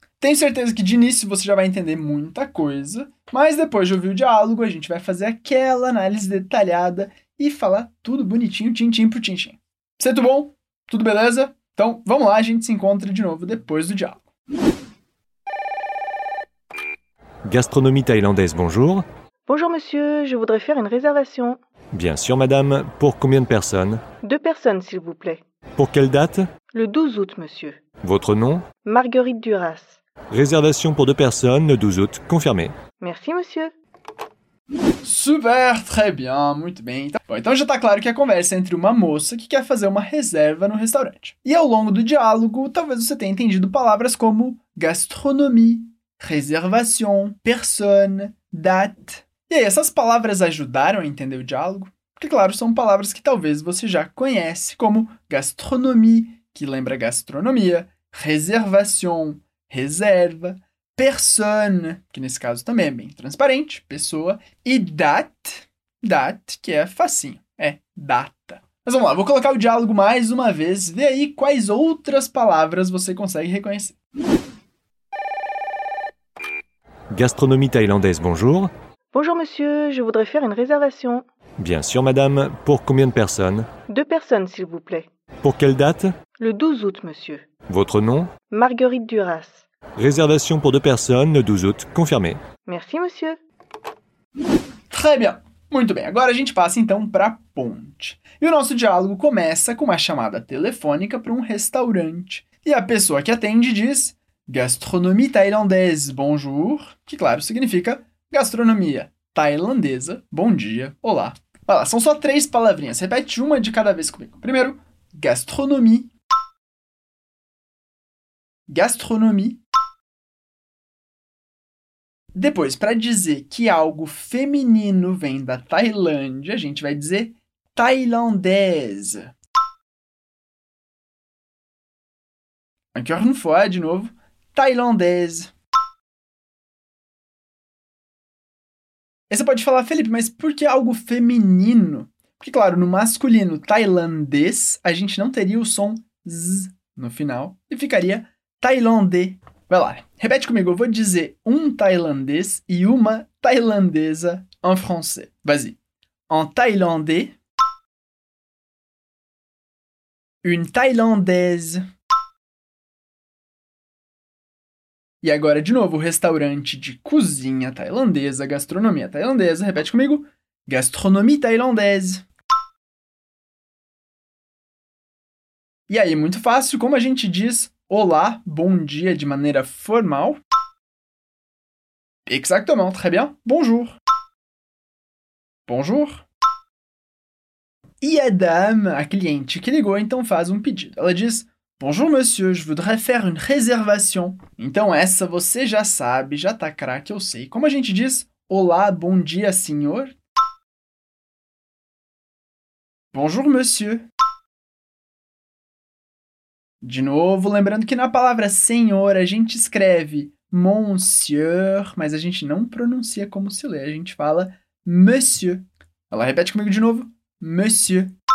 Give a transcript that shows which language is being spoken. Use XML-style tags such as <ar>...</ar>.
<pt>Tenho certeza que de início você já vai entender muita coisa, mas depois de ouvir o diálogo, a gente vai fazer aquela análise detalhada e falar tudo bonitinho, tintim pro tintim. Você tudo bom? Tudo beleza? Então, vamos lá, a gente se encontra de novo depois do diálogo.</pt> <fr>Gastronomie thaïlandaise, bonjour. Bonjour, monsieur. Je voudrais faire une réservation. Bien sûr, madame. Pour combien de personnes? Deux personnes, s'il vous plaît. Pour quelle date? Le 12 août, monsieur. Votre nom? Marguerite Duras. Réservation pour deux personnes, le 12 août, confirmé. Merci, monsieur. Super, très bien,</fr> <pt>muito bem. Bom, então já tá claro que a conversa é entre uma moça que quer fazer uma reserva no restaurante. E ao longo do diálogo, talvez você tenha entendido palavras como gastronomie, réservation, personne, date. E aí, essas palavras ajudaram a entender o diálogo? Porque, claro, são palavras que talvez você já conhece como gastronomie, que lembra gastronomia, réservation, reserva, personne, que nesse caso também é bem transparente, pessoa, e date, que é facinho, é data. Mas vamos lá, vou colocar o diálogo mais uma vez, vê aí quais outras palavras você consegue reconhecer.</pt> <fr>Gastronomie thaïlandaise, bonjour. Bonjour, monsieur, je voudrais faire une réservation. Bien sûr, madame, pour combien de personnes? Deux personnes, s'il vous plaît. Pour quelle date? Le 12 août, monsieur. Votre nom? Marguerite Duras. Réservation pour deux personnes, le 12 août, confirmé. Merci, monsieur. Très bien.</fr> <pt>Muito bem, agora a gente passa então para a ponte. E o nosso diálogo começa com uma chamada telefônica para um restaurante. E a pessoa que atende diz</pt> <fr>Gastronomie thaïlandaise, bonjour.</fr> <pt>Que, claro, significa gastronomia tailandesa, bom dia, olá. Vai lá, são só três palavrinhas. Repete uma de cada vez comigo. Primeiro, gastronomie. Gastronomie. Depois, para dizer que algo feminino vem da Tailândia, a gente vai dizer tailandesa.</pt> <fr>Encore une fois,</fr> <pt>de novo, tailandesa. E você pode falar, Felipe, mas por que algo feminino? Porque, claro, no masculino tailandês, a gente não teria o som z no final e ficaria tailandês. Vai lá, repete comigo, eu vou dizer um tailandês e uma tailandesa em français.</pt> <fr>Vas-y. En tailandais. Une tailandaise.</fr> <pt>E agora, de novo, restaurante de cozinha tailandesa, gastronomia tailandesa. Repete comigo.</pt> <fr>Gastronomie tailandaise.</fr> <pt>E aí, muito fácil, como a gente diz olá, bom dia, de maneira formal.</pt> <fr>Exactement, très bien. Bonjour. Bonjour.</fr> <pt>E a dame, a cliente que ligou, então faz um pedido. Ela diz,</pt> <fr>bonjour monsieur, je voudrais faire une réservation.</fr> <pt>Então essa você já sabe, já tá craque, eu sei. Como a gente diz, olá, bom dia, senhor.</pt> <fr>Bonjour monsieur.</fr> <pt>De novo, lembrando que na palavra senhor a gente escreve monsieur, mas a gente não pronuncia como se lê, a gente fala monsieur. Ela repete comigo de novo. Monsieur.</pt>